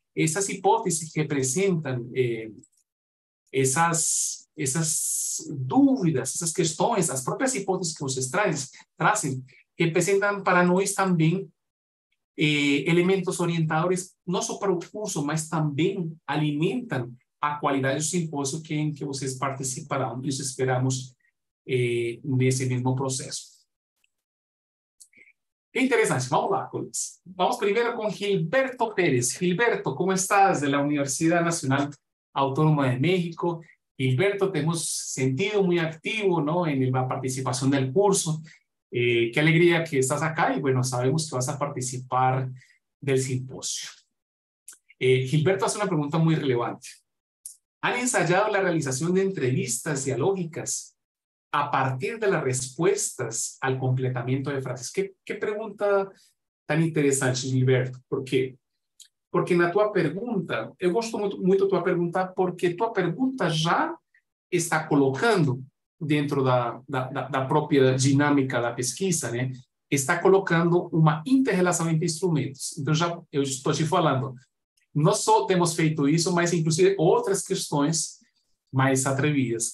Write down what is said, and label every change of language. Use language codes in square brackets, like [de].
[pt] Essas hipóteses que representam essas dúvidas, essas questões, as próprias hipóteses que vocês trazem, representam para nós também elementos orientadores, não só para o curso, mas também alimentam a qualidade do simpósio em que vocês participarão. Isso esperamos nesse mesmo processo. Interessante, vamos lá, colegas. Vamos primeiro com Gilberto Pérez. [es] Gilberto, como estás? De la Universidad Nacional Autónoma de México. Gilberto, te hemos sentido muy activo, ¿no?, en la participación del curso. Qué alegría que estás acá y bueno, sabemos que vas a participar del simposio. Gilberto hace una pregunta muy relevante. ¿Han ensayado la realización de entrevistas dialógicas a partir de las respuestas al completamiento de frases? ¿Qué pregunta tan interesante, Gilberto? ¿Por qué? [pt] Porque na tua pergunta, eu gosto muito da tua pergunta, porque tua pergunta já está colocando dentro da própria dinâmica da pesquisa, né? Está colocando uma inter-relação entre instrumentos. Então, já eu estou te falando, não só temos feito isso, mas inclusive outras questões mais atrevidas.